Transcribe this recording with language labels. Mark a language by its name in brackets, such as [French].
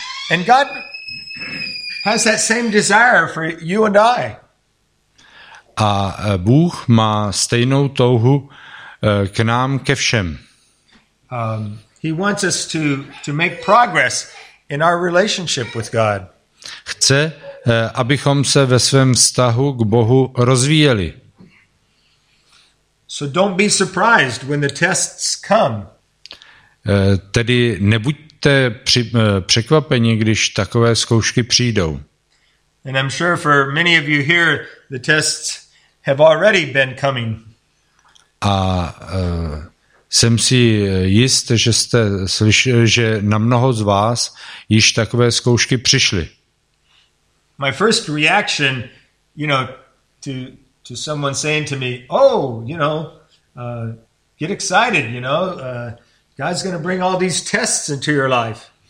[English] And God has that same desire for you and I. [Czech] A Bůh má stejnou touhu k nám, ke všem. [English] He wants us to make progress in our relationship with God. [Czech] Chce, abychom se ve svém vztahu k Bohu rozvíjeli. [English] So don't be surprised when the tests come. [Czech] Tedy nebuďte buďte překvapeni, když takové zkoušky přijdou. [English] And I'm sure for many of you here the tests have already been coming. [Czech] A jsem si jist, že jste slyšeli, že na mnoho z vás již takové zkoušky přišly. [English] My first reaction, you know, to someone saying to me, "Oh, you know, get excited, you know, God's going to bring all these tests into your life."